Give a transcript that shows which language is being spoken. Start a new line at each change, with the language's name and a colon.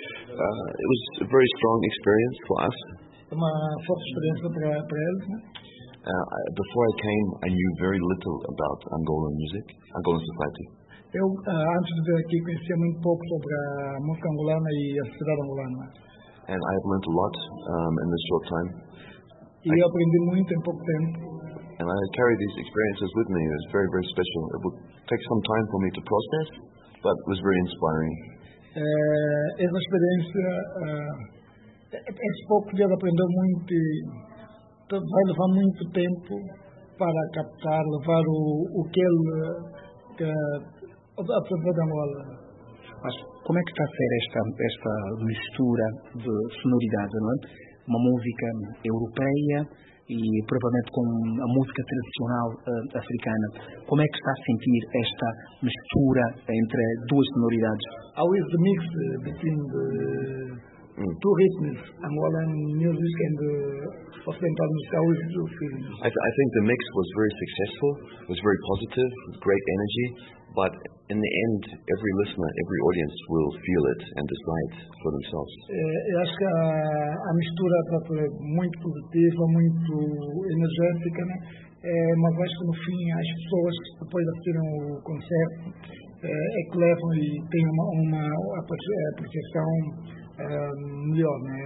English: It was a very strong experience for us.
Portuguese: Uma forte experiência para eles, né?
English: Before I came, I knew very little about Angolan music, Angolan society.
Portuguese: Antes de vir aqui, conhecia muito pouco sobre a música angolana e a sociedade angolana.
English: And I have learned a lot in this short time.
Portuguese: E eu aprendi muito em pouco tempo.
English: And I carry these experiences with me. It was very, very special. It would take some time for me to process, but it was very inspiring.
Portuguese: Essa experiência, esse pouco que eu aprendi muito e vai levar muito tempo para captar, levar o que ele aprendeu da Angola. Mas como é que está a ser esta mistura de sonoridade, não é? Uma música europeia e provavelmente com a música tradicional africana. Como é que está a sentir esta mistura entre duas sonoridades? Há esse
English: mix between the two rhythms, Angolan music and the Ocidental music. How is your feeling? I think the mix was very successful, was very positive, with great energy, but in the end, every listener, every audience will feel it and decide for themselves.
Portuguese: Eu acho que a mistura foi muito positiva, muito energética, né? Mas acho que no fim as pessoas que depois assistiram o concerto é que levam e têm uma apreciação melhor, né?